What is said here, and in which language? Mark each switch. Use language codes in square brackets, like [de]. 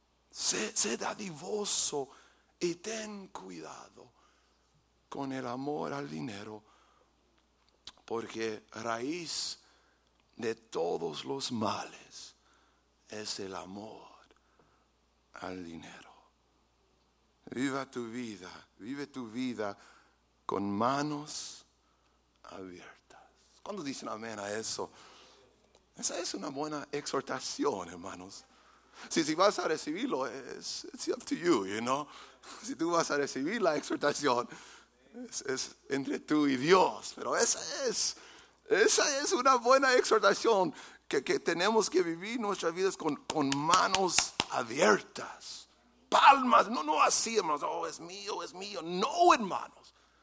[es] Sé dadivoso y ten cuidado con el amor al dinero, porque raíz de todos los males es el amor al dinero. Vive tu vida con manos abiertas. ¿Cuándo dicen amén a eso? Esa es una buena exhortación, hermanos. Si vas a recibirlo, [en] it's up to you, you know. [es] Si tú vas a recibir la exhortación, es entre tú y Dios. Pero esa es una buena exhortación, que tenemos que vivir nuestras vidas con manos abiertas. Palmas, no así, hermanos. Oh, es mío. No, hermanos.